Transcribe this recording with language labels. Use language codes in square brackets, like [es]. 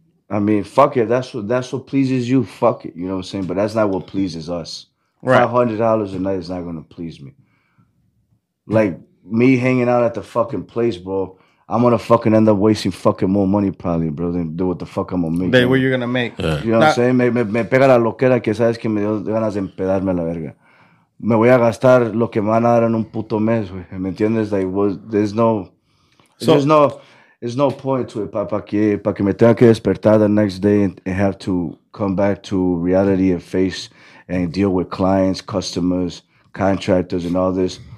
[en] I mean, fuck it. That's what pleases you. Fuck it. You know what I'm saying? But that's not what pleases us. Right. $500 a night is not going to please me. Like me hanging out at the fucking place, bro. I'm going to fucking end up wasting fucking more money probably, bro, than do what the fuck I'm going to make. Than what you're going to make. You know what I'm saying? [es] Me pega la loquera que sabes que me dio ganas de empedarme la verga. Me voy a gastar lo que me van a dar en un puto mes, güey. ¿Me entiendes? [en] Like, there's no point to it, [es] para que me tenga que despertar [en] the next day and have to come back to reality and face and deal with clients, customers, contractors, and all this.